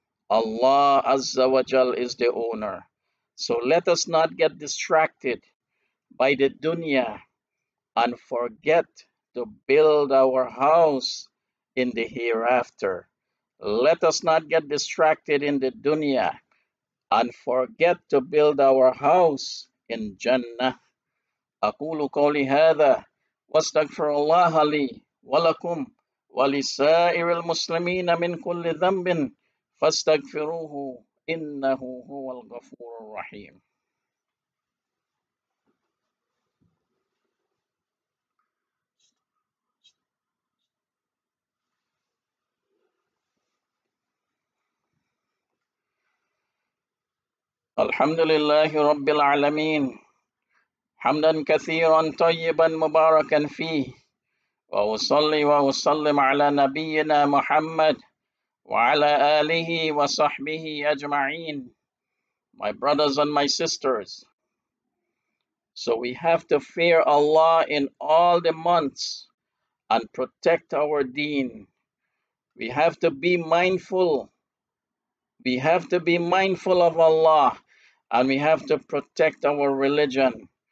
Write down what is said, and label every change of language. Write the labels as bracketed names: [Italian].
[English] Allah Azza wa Jal is the owner. So let us not get distracted by the dunya and forget to build our house in the hereafter. Let us not get distracted in the dunya and forget to build our house in Jannah. [Arabic] أقول قولي هذا واستغفر الله لي ولكم ولسائر المسلمين من كل ذنب فاستغفروه إنه هو الغفور الرحيم. الحمد لله رب العالمين. حمدا كثيرا طيبا مباركا فيه وأصلي وأسلم على نبينا محمد وعلى آله وصحبه أجمعين. [English] My brothers and my sisters, so we have to fear Allah in all the months and protect our deen. We have to be mindful. We have to be mindful of Allah and we have to protect our religion.